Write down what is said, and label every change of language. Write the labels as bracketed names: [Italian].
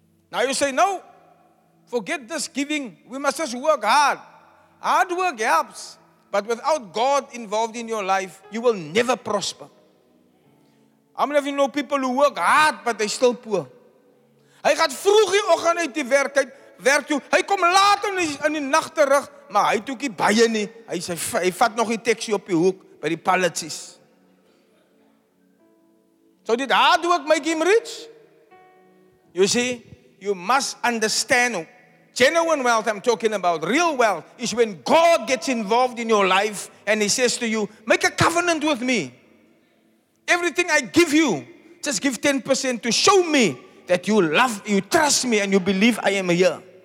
[English] Now you say, no, forget this giving. We must just work hard. Hard work helps. But without God involved in your life, you will never prosper. How many of you know people who work hard, but they're still poor? [Afrikaans] Hy gaat vroeg die oggend uit die werk uit, werk toe. Hy kom laat in die nag terug, maar hy toekie baie nie. Hy vat nog die taxi op die hoek by die palletjies. [English] So did hard work make him rich? You see, you must understand genuine wealth, I'm talking about real wealth, is when God gets involved in your life and he says to you, make a covenant with me. Everything I give you, just give 10% to show me that you love, you trust me and you believe I am here.